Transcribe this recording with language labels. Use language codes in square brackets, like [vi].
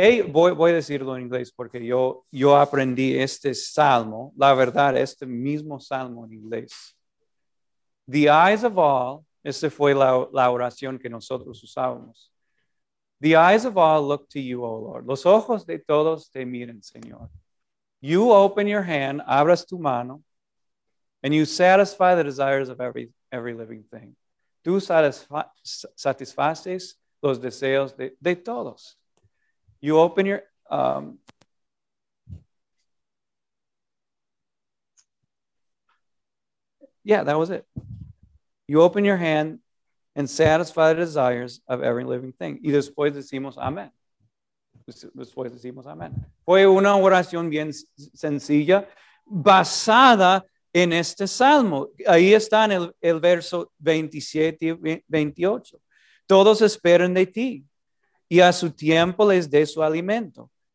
[es] Voy a decirlo en inglés porque yo aprendí este salmo, la verdad, este mismo salmo en inglés. [en] The eyes of all, [es] esa fue la oración que nosotros usábamos. [en] The eyes of all look to you, O Lord. [es] Los ojos de todos te miren, Señor. [en] You open your hand, [es] abras tu mano, [en] and you satisfy the desires of every living thing. [es] Tú satisfaces los deseos de todos. [en] You open your... Yeah, that was it. You open your hand and satisfy the desires of every living thing. [es] Y después decimos amén. Después decimos amén. Fue una oración bien sencilla, basada en este salmo. Ahí está en el verso 27 y 28. Todos esperan de ti, y a su tiempo les dé su alimento.